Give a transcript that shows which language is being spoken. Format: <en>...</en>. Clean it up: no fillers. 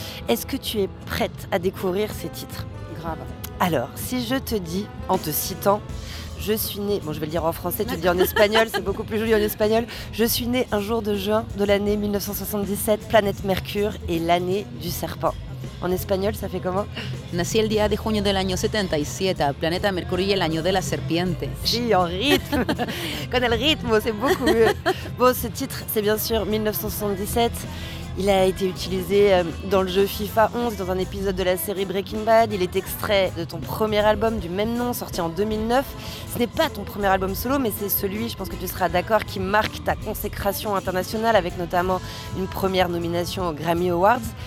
<fr>Est-ce que tu es prête à découvrir ces titres ? Grave. Alors, si je te dis, en te citant, je suis née, bon je vais le dire en français, tu le dis en espagnol, c'est beaucoup plus joli en espagnol. Je suis née un jour de juin de l'année 1977, planète Mercure et l'année du serpent. En espagnol, ça fait comment?</fr> <es>Nací el día de junio del año 77, planeta Mercurio y el año de la serpiente.</es> <fr>Sí, en rythme.</fr> <es>Con el ritmo,</es> <fr>c'est beaucoup mieux. Bon, ce titre, c'est bien sûr 1977. Il a été utilisé dans le jeu FIFA 11, dans un épisode de la série Breaking Bad. Il est extrait de ton premier album du même nom, sorti en 2009. Ce n'est pas ton premier album solo, mais c'est celui, je pense que tu seras d'accord, qui marque ta consécration internationale, avec notamment une première nomination aux Grammy Awards.</fr>